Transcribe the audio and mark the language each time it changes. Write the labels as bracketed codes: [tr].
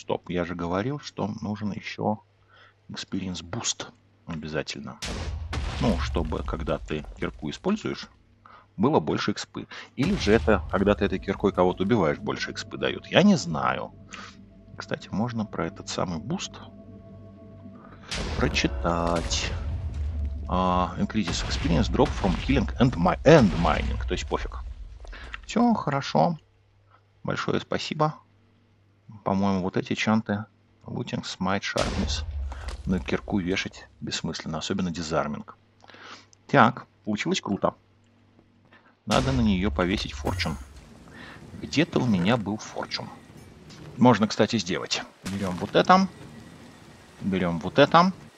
[ru] Я же говорил, что нужен еще Experience Boost обязательно. Ну, чтобы, когда ты кирку используешь, было больше экспы. Или же это, когда ты этой киркой кого-то убиваешь, больше экспы дают. Я не знаю. Кстати, можно про этот самый буст прочитать. [en] Increases experience drop from killing and mining. [ru] То есть пофиг. Все хорошо. Большое спасибо. По-моему, вот эти чанты. [en] Looting, smite, sharpness. [ru] На кирку вешать бессмысленно, особенно дизарминг. Так, получилось круто. Надо на нее повесить форчун. Где-то у меня был форчун. Можно, кстати, сделать. Берем вот это. Берем вот это.